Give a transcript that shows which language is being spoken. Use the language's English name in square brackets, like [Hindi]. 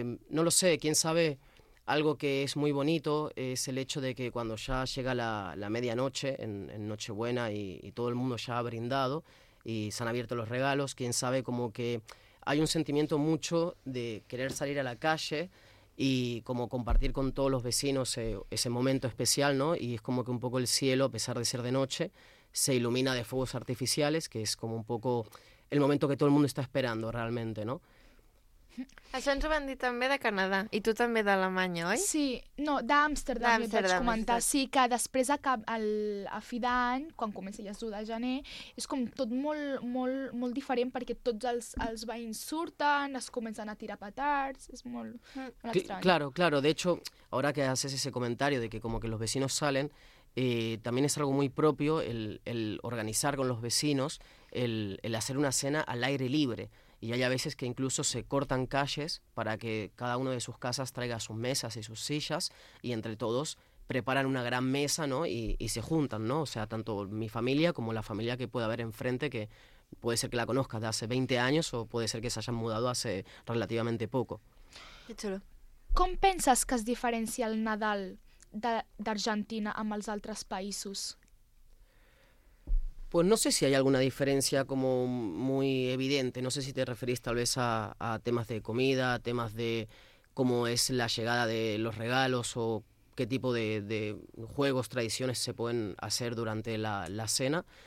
[Spanish] no lo sé, quién sabe, algo que es muy bonito es el hecho de que cuando ya llega la medianoche, en Nochebuena y todo el mundo ya ha brindado y se han abierto los regalos, quién sabe, como que hay un sentimiento mucho de querer salir a la calle y como compartir con todos los vecinos ese momento especial, ¿no? Y es como que un poco el cielo, a pesar de ser de noche, se ilumina de fuegos artificiales, que es como un poco el momento que todo el mundo está esperando realmente, ¿no? [Catalan] Això ens ho van dir també de Canadà, i tu també d'Alemanya, oi? Sí, no, d'Amsterdam, et vaig comentar. Sí, que després a fi d'any, quan comença ja 1 de gener, és com tot molt, molt, molt diferent perquè tots els veïns surten, es comencen a tirar petards, és molt estrany. [Spanish] Claro, claro, de hecho, ahora que haces ese comentario de que como que los vecinos salen, también es algo muy propio el organizar con los vecinos, el hacer una cena al aire libre. Y hay a veces que incluso se cortan calles para que cada uno de sus casas traiga sus mesas y sus sillas y entre todos preparan una gran mesa, ¿no? Y se juntan, ¿no? O sea, tanto mi familia como la familia que pueda haber enfrente, que puede ser que la conozcas de hace 20 años o puede ser que se hayan mudado hace relativamente poco. Qué chulo. ¿Cómo piensas que es diferencia el Nadal de Argentina [Catalan] amb els altres països? [Spanish] Pues no sé si hay alguna diferencia como muy evidente, no sé si te referís tal vez a temas de comida, a temas de cómo es la llegada de los regalos o qué tipo de juegos, tradiciones se pueden hacer durante la cena.